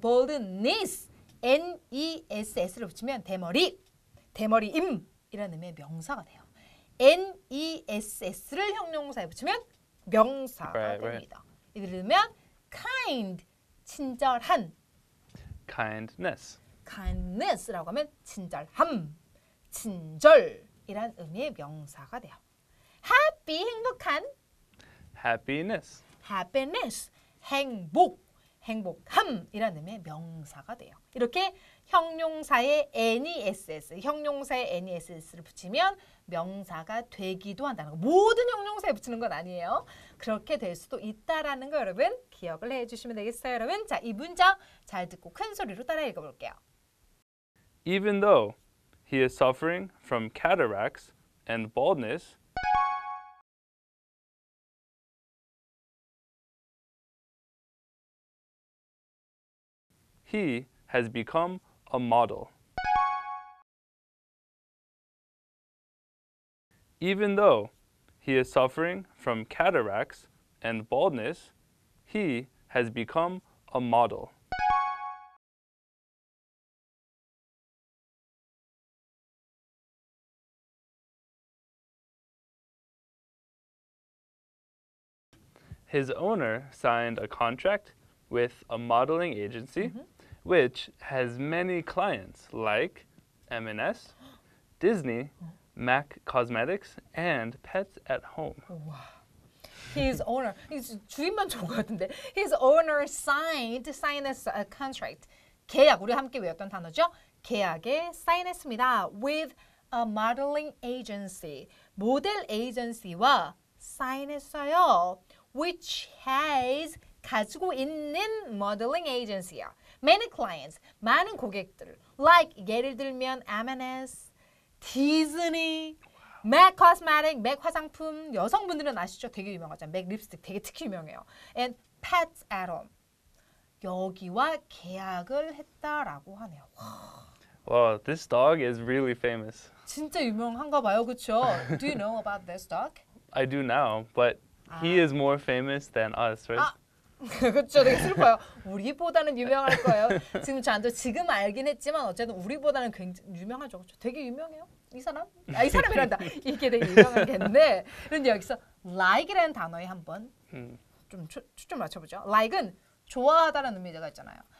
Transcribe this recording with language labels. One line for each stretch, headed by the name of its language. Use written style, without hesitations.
Korean: baldness, N-E-S-S를 붙이면 대머리임. 이런 의미의 명사가 돼요. N-E-S-S를 형용사에 붙이면 명사가 됩니다. 이르면 kind, 친절한. Kindness라고 하면 친절함, 친절이란 의미의 명사가 돼요. Happy, 행복한.
English: Happiness,
Korean: 행복, 행복함이란 의미의 명사가 돼요. 이렇게 형용사의 NESS, 형용사의 NESS를 붙이면 명사가 되기도 한다는 거. 모든 형용사에 붙이는 건 아니에요. 그렇게 될 수도 있다라는 거 여러분 기억을 해주시면 되겠어요, 여러분. 자, 이 문장 잘 듣고 큰 소리로 따라 읽어볼게요.
English: Even though he is suffering from cataracts and baldness, he has become a model. Even though he is suffering from cataracts and baldness, he has become a model. His owner signed a contract with a modeling agency. Mm-hmm. which has many clients like M&S, Disney, MAC Cosmetics, and Pets at Home. His owner,
Korean: 주인만 좋은 것 같은데.
English: His owner signed a contract.
Korean: 계약, 우리 함께 외웠던 단어죠. 계약에 사인했습니다.
English: With a modeling agency.
Korean: 모델 에이전시와 사인했어요.
English: Which has
Korean: 가지고 있는
English: modeling agency야. Many clients,
Korean: 많은 고객들, like 예를 들면 M&S, Disney, MAC Cosmetics, MAC 화장품, 여성분들은 아시죠? 되게 유명하죠. MAC 립스틱 되게 특히 유명해요. And Pets at Home, 여기와 계약을 했다라고 하네요.
English: Wow, this dog is really famous.
Korean: 진짜 유명한가 봐요, 그렇죠?
English: Do you know about this dog? I do now, but he is more famous than us, right?
Korean: 그렇죠. 되게 슬퍼요. 우리보다는 유명할 거예요. 지금 저한테 지금 알긴 했지만 어쨌든 우리보다는 굉장히 유명하죠. 그렇죠? 되게 유명해요. 이 사람? 아, 이 사람이란다. 이게 되게 유명하겠네. 그런데 여기서 like이라는 단어에 한번 좀 초점 맞춰보죠. like은 좋아하다라는 의미가 있잖아요.